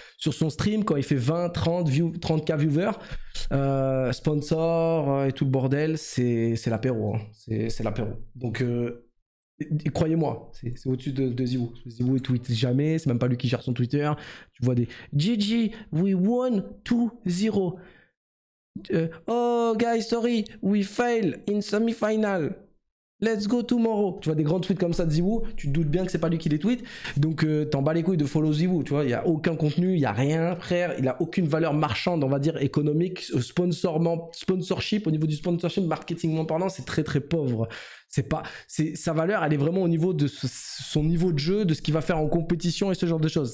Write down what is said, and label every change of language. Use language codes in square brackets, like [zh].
[fr] Sur son stream quand il fait 20-30k viewers, sponsor et tout le bordel, c'est l'apéro, hein. c'est l'apéro. Donc croyez-moi, c'est au-dessus de Zibou. Zibou il tweet jamais, c'est même pas lui qui gère son Twitter. Tu vois des GG [en] we won 2-0. Oh guys, sorry, we fail in semi-final. Let's go tomorrow. [fr] Tu vois des grands tweets comme ça de Zibou, tu te doutes bien que c'est pas lui qui les tweet. Donc t'en bats les couilles de follow Zibou. Tu vois, il y a aucun contenu, il y a rien, frère. Il a aucune valeur marchande, on va dire économique, sponsorship au niveau du sponsorship, marketingment parlant, c'est très très pauvre. Sa valeur, elle est vraiment au niveau de son niveau de jeu, de ce qu'il va faire en compétition et ce genre de choses.